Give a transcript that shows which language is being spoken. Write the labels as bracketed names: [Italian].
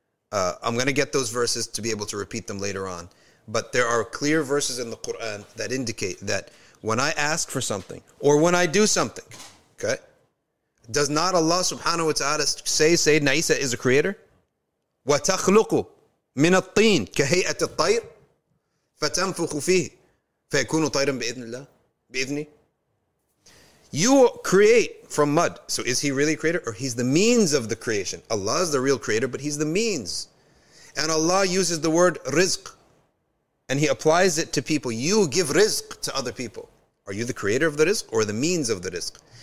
[English] I'm going to get those verses to be able to repeat them later on. But there are clear verses in the Quran that indicate that when I ask for something, or when I do something, okay, does not Allah subhanahu wa ta'ala say Sayyidina Isa is a creator? [Arabic] وَتَخْلُقُ من الطين كهيئة الطير فتنفخ فيه فيكون طيرا بإذن الله بإذني. [English] You create from mud. So is he really creator or he's the means of the creation? Allah is the real creator, but he's the means. And Allah uses the word rizq and he applies it to people. You give rizq to other people. Are you the creator of the rizq or the means of the rizq?